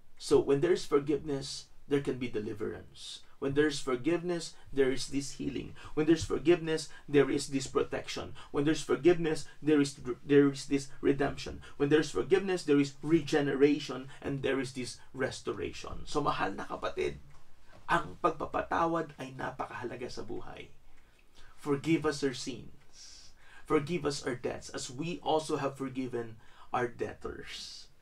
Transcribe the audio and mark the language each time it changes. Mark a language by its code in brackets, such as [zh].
[en] So when there is forgiveness, there can be deliverance. When there's forgiveness, there is this healing. When there's forgiveness, there is this protection. When there's forgiveness, there is this redemption. When there's forgiveness, there is regeneration, and there is this restoration. [tl] So mahal na kapatid, ang pagpapatawad ay napakahalaga sa buhay. [en] Forgive us our sins. Forgive us our debts, as we also have forgiven our debtors.